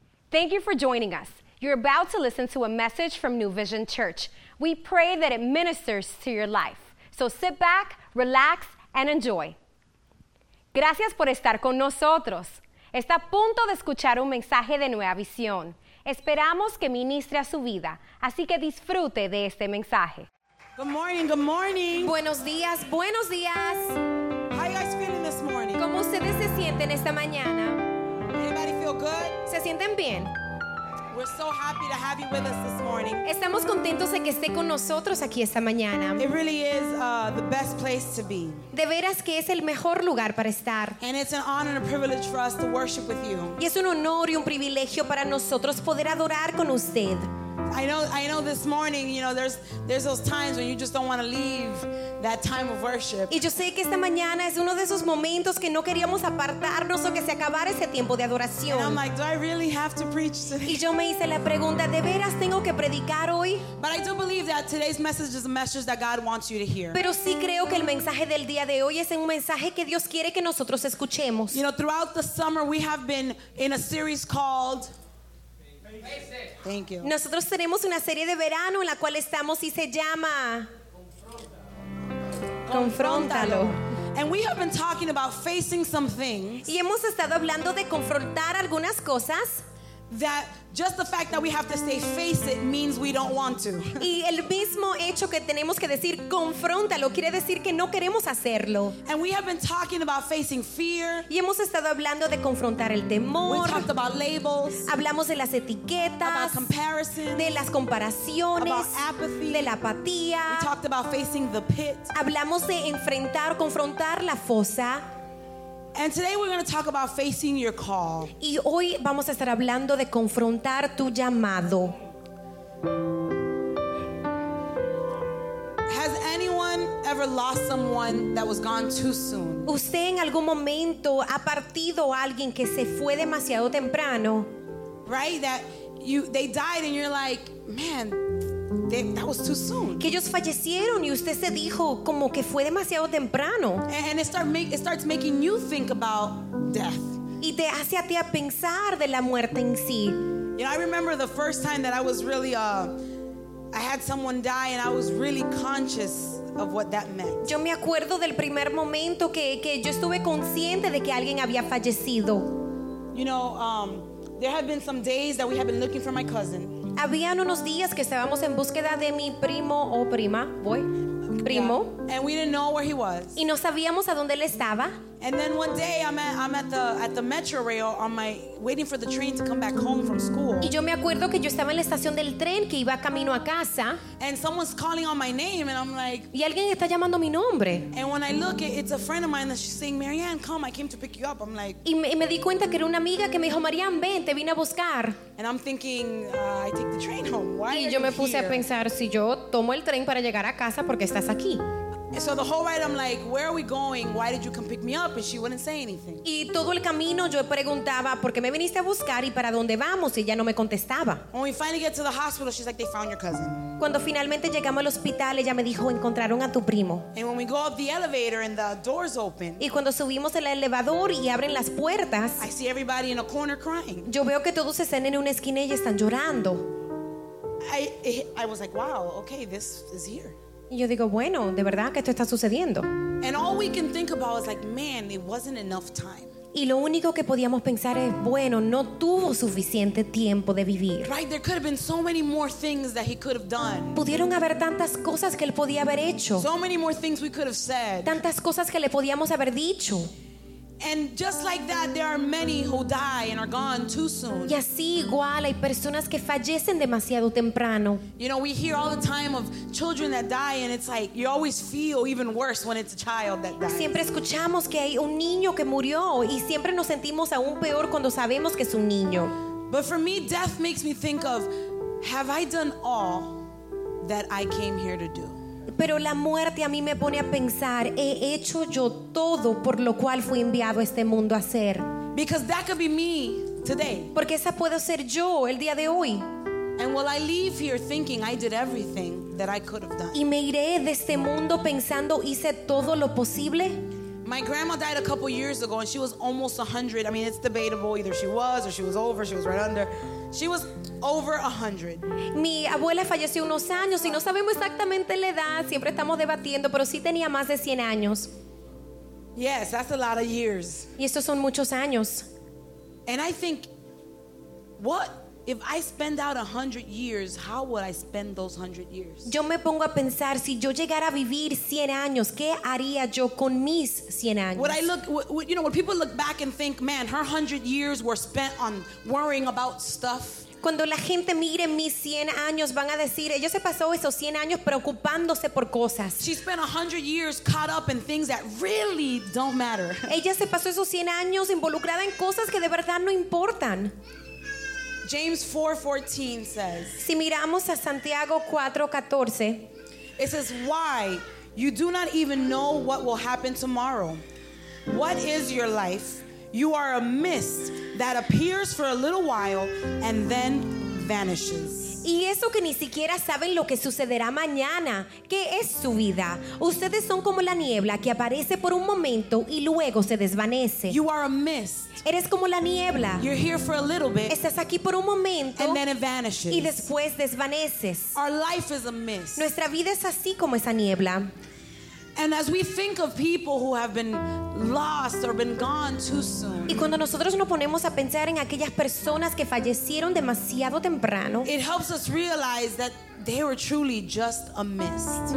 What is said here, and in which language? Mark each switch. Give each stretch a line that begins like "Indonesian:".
English: Thank you for joining us. You're about to listen to a message from New Vision Church. We pray that it ministers to your life. So sit back, relax, and enjoy.
Spanish: Gracias por estar con nosotros. Está a punto de escuchar un mensaje de Nueva Visión. Esperamos que ministre a su vida, así que disfrute de este mensaje.
English: Good morning, good morning.
Spanish: Buenos días, buenos días.
English: How are you guys feeling this morning?
Spanish: ¿Cómo ustedes se sienten esta mañana?
English: Anybody feel good?
Spanish: ¿Se sienten bien?
English: We're so happy to have you with us this morning.
Spanish: Estamos contentos de que esté con nosotros aquí esta mañana.
English: It really is the best place to be.
Spanish: De veras que es el mejor lugar para estar.
English: And it's an honor and a privilege for us to worship with you.
Spanish: Y es un honor y un privilegio para nosotros poder adorar con usted.
English: I know this morning, you know, there's those times when you just don't want to leave that time of worship.
Spanish: Y yo sé que esta mañana es uno de esos momentos que no queríamos apartarnos o que se acabara ese tiempo de adoración.
English: And I'm like, do I really have to preach today?
Spanish: Y yo me hice la pregunta, ¿de veras tengo que predicar hoy?
English: But I do believe that today's message is a message that God wants you to hear.
Spanish: Pero sí creo que el mensaje del día de hoy es un mensaje que Dios quiere que nosotros escuchemos.
English: You know, throughout the summer we have been in a series called Thank you.
Spanish: Nosotros tenemos una serie de verano en la cual estamos y se llama Confróntalo.
English: And we have been talking about facing some things.
Spanish: Y hemos estado hablando de confrontar algunas cosas.
English: That just the fact that we have to say face it means we don't want to.
Spanish: Y el mismo hecho que tenemos que decir confróntalo quiere decir que no queremos hacerlo.
English: And we have been talking about facing fear.
Spanish: Y hemos estado hablando de confrontar el temor.
English: We talked about labels.
Spanish: Hablamos de las etiquetas.
English: About comparison.
Spanish: De las comparaciones.
English: About apathy.
Spanish: De la apatía.
English: We talked about facing the pit.
Spanish: Hablamos de enfrentar, confrontar la fosa.
English: And today we're going to talk about facing your call.
Spanish: Y hoy vamos a estar hablando de confrontar tu llamado.
English: Has anyone ever lost someone that was gone too soon?
Spanish: ¿Usted en algún momento ha partido a alguien que se fue demasiado temprano?
English: Right, that they died and you're like, man, that was too soon.
Spanish: Que ellos fallecieron y usted se dijo como que fue demasiado temprano.
English: And it starts making you think about death.
Spanish: Y te hace a ti a pensar de la muerte en sí.
English: You know, I remember the first time that I was really I had someone die and I was really conscious of what that meant.
Spanish: Yo me acuerdo del primer momento que yo estuve consciente de que alguien había fallecido.
English: You know, there have been some days that we have been looking for my cousin.
Spanish: Habían unos días que estábamos en búsqueda de mi primo o prima, voy, primo.
English: Yeah. And we didn't know where he was.
Spanish: Y no sabíamos a dónde él estaba.
English: And then one day I'm at the metro rail on my waiting for the train to come back home from school.
Spanish: Y yo me acuerdo que yo estaba en la estación del tren que iba camino a casa.
English: And someone's calling on my name and I'm like.
Spanish: Y alguien está llamando mi nombre.
English: And when I look, it's a friend of mine that she's saying, Marianne, come, I came to pick you up. I'm like.
Spanish: Y me di cuenta que era una amiga que me dijo, Marianne, ven, te vine a buscar.
English: And I'm thinking, I take the train home. Why are you here?
Spanish: Y yo me puse a pensar, si yo tomo el tren para llegar a casa, ¿por qué estás aquí?
English: So the whole ride I'm like, where are we going? Why did you come pick me up? And she wouldn't say anything.
Spanish: Y todo el camino yo preguntaba, ¿por qué me viniste a buscar y para dónde vamos? Y ella no me contestaba.
English: When we finally get to the hospital, she's like, they found your cousin.
Spanish: Cuando finalmente llegamos al hospital, ella me dijo, encontraron a tu primo.
English: And when we go up the elevator and the doors open.
Spanish: Y cuando subimos el elevador y abren las puertas.
English: I see everybody in a corner crying.
Spanish: Yo veo que todos están en una esquina y están llorando.
English: I was like, wow, okay, this is here.
Spanish: Y yo digo, bueno, de verdad que esto está sucediendo.
English: And all we can think about is like, man, it wasn't enough time.
Spanish: Y lo único que podíamos pensar es, bueno, no tuvo suficiente tiempo de vivir.
English: Right, there could have been so many more things that he could have done.
Spanish: Pudieron haber tantas cosas que él podía haber hecho.
English: So many more things we could have said.
Spanish: Tantas cosas que le podíamos haber dicho.
English: And just like that, there are many who die and are gone too soon.
Spanish: Y así igual hay personas que fallecen demasiado temprano.
English: You know, we hear all the time of children that die, and it's like you always feel even worse when it's a child that dies.
Spanish: Siempre escuchamos que hay un niño que murió, y siempre nos sentimos aún peor cuando sabemos que es un niño.
English: But for me, death makes me think of, have I done all that I came here to do?
Spanish: Pero la muerte a mí me pone a pensar, he hecho yo todo por lo cual fui enviado a este mundo a hacer.
English: Because that could be me today.
Spanish: Porque esa puedo ser yo el día de hoy.
English: And will I leave here thinking I did everything that I could have done?
Spanish: Y me iré de este mundo pensando hice todo lo posible.
English: My grandma died a couple years ago and she was almost 100. I mean, it's debatable either she was or she was over, she was right under. She was over 100.
Spanish: Mi abuela falleció unos años y no sabemos exactamente la edad, siempre estamos debatiendo, pero sí tenía más de 100 años.
English: Yes, that's a lot of years.
Spanish: Y estos son muchos años.
English: And I think, what if I spend out 100 years, how would I spend those 100 years?
Spanish: Yo me pongo a pensar, si yo llegara a vivir 100 años, ¿qué haría yo con mis 100 años?
English: Would I look, you know, when people look back and think, man, her 100 years were spent on worrying about stuff.
Spanish: Cuando la gente mire mis 100 años, van a decir, ella se pasó esos 100 años preocupándose por cosas.
English: She spent 100 years caught up in things that really don't matter.
Spanish: Ella se pasó esos 100 años involucrada en cosas que de verdad no importan.
English: James 4:14 says.
Spanish: Si miramos a Santiago 4:14,
English: it says, "Why you do not even know what will happen tomorrow? What is your life? You are a mist that appears for a little while and then vanishes."
Spanish: Y eso que ni siquiera saben lo que sucederá mañana, ¿qué es su vida? Ustedes son como la niebla que aparece por un momento y luego se desvanece.
English: You are a mist.
Spanish: Eres como la niebla.
English: You're here for a little bit.
Spanish: Estás aquí por un momento.
English: And then it vanishes.
Spanish: Y después desvaneces.
English: Our life is a mist.
Spanish: Nuestra vida es así como esa niebla.
English: And as we think of people who have been lost or been gone too soon.
Spanish: Y cuando nosotros nos ponemos a pensar en aquellas personas que fallecieron demasiado temprano,
English: it helps us realize that they were truly just a mist.